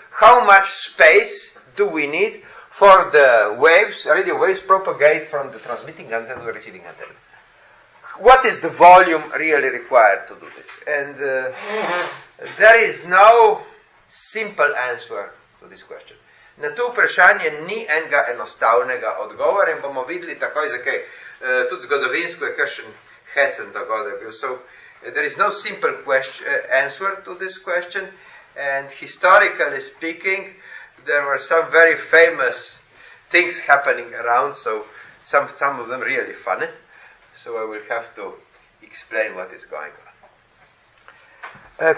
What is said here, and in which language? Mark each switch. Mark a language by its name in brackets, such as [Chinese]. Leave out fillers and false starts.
[English] How much space do we need for the waves, radio waves, propagate from the transmitting antenna to the receiving antenna? What is the volume really required to do this? And there is no simple answer to this question. [Slovenian] Na to vprašanje ni enega enostavnega odgovora in bomo videli takoj, zakaj tudi zgodovinsko je kakšen hecen dogodek bil. [English] So, there is no simple answer to this question, and historically speaking, there were some very famous things happening around, so some of them really funny, so I will have to explain what is going on.